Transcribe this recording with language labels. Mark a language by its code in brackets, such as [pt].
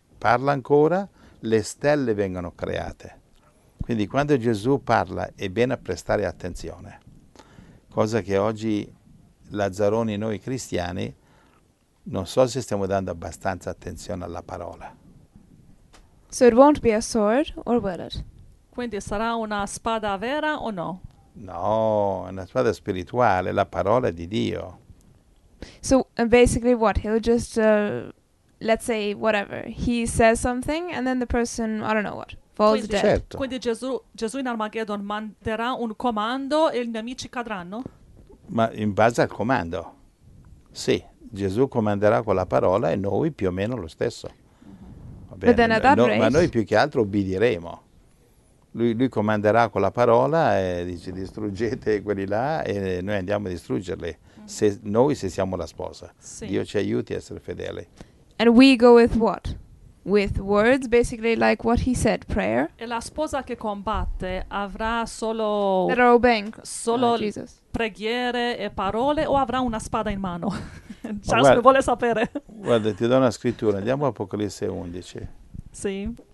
[it] Parla ancora, le stelle vengono create. Quindi quando Gesù parla è bene a prestare attenzione. Cosa che oggi Lazzaroni, noi cristiani, non so se stiamo dando abbastanza attenzione alla parola. [en] So it won't be a sword, or will it? [it] Quindi sarà una spada vera o no? No, è una spada spirituale, la parola di Dio. [en] So basically what? He'll just, let's say, whatever. He says something and then the person, I don't know what, falls [it] quindi, [en] dead. [it] Certo. Quindi Gesù in Armageddon manderà un comando e i nemici cadranno? Ma in base al comando, sì. Gesù comanderà con la parola e noi più o meno lo stesso. Va bene. [en] But then at that no, race, [it] ma noi più che altro obbediremo. Lui comanderà con la parola e dice: distruggete quelli là e noi andiamo a distruggerli. Se siamo la sposa, sì. Dio ci aiuti a essere fedeli. [en] And we go with what? With words, basically like what he said, prayer. [it] E la sposa che combatte avrà solo [en] that are obeying, [it] solo [en] Jesus. [it] Preghiere e parole o avrà una spada in mano? Charles, guarda, vuole sapere. Guarda, ti do una scrittura. Andiamo a Apocalisse 11. Sì.